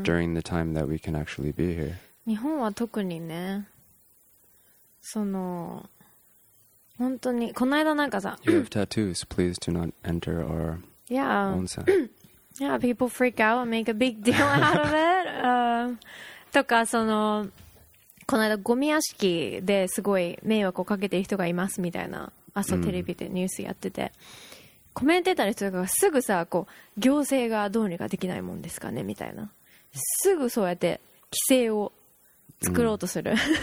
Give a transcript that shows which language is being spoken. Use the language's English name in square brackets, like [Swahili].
[English] during the time that we can actually be here. [Japanese] 日本は特にね、その本当にこの間なんかさ、 [English] You have tattoos. Please do not enter our yeah. onsen. Yeah, people freak out and make a big deal out of it. [Japanese] とかそのこの間ゴミ屋敷ですごい迷惑をかけてる人がいますみたいな朝テレビでニュースやってて、コメンテーターの人とかがすぐさこう行政がどうにかできないもんですかねみたいな、すぐそうやって規制を作ろうとする、